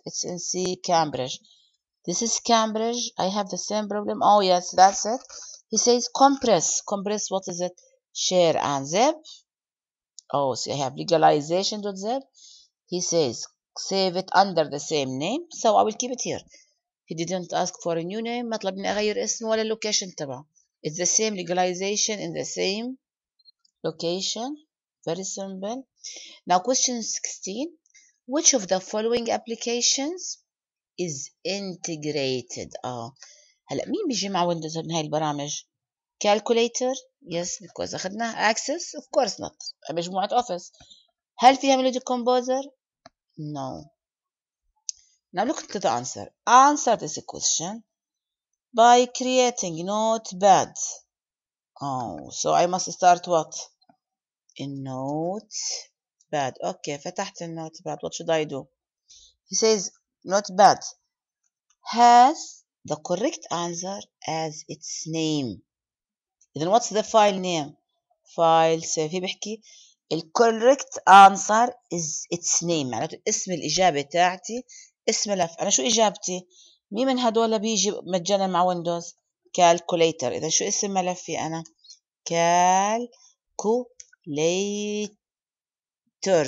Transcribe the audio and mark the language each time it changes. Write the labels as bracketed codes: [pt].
[en] It's in C Cambridge. This is Cambridge. I have the same problem. Oh yes, that's it. He says compress. Compress, what is it? Share and zip. Oh, so I have legalization.zip. He says save it under the same name. So I will keep it here. He didn't ask for a new name. [ar] مطلبني أغير اسم ولا location تبعه. [en] It's the same legalization in the same location. Very simple. Now question 16. Which of the following applications is integrated? [ar] هلا مين بيجي مع ويندوز من هاي البرامج؟ Calculator? [en] Yes, because [ar] أخذنا [en] Access? Of course not. [ar] مجموعة [en] Office. [ar] هل فيها [en] Melody Composer? No. Now look at the answer. Answer this question by creating Notepad. Oh, so I must start what? In Notepad. bad. Okay, [ar] فتحت النوتباد. [en] What should I do? He says, not bad. Has the correct answer as its name. Then what's the file name? File save. [ar] هي بحكي [en] the correct answer is its name. [ar] معناته اسم الإجابة تاعتي اسم لف. أنا شو إجابتي؟ مين من هدول بيجي مجانا مع ويندوز؟ Calculator. إذا شو اسم ملفي أنا؟ Calculator.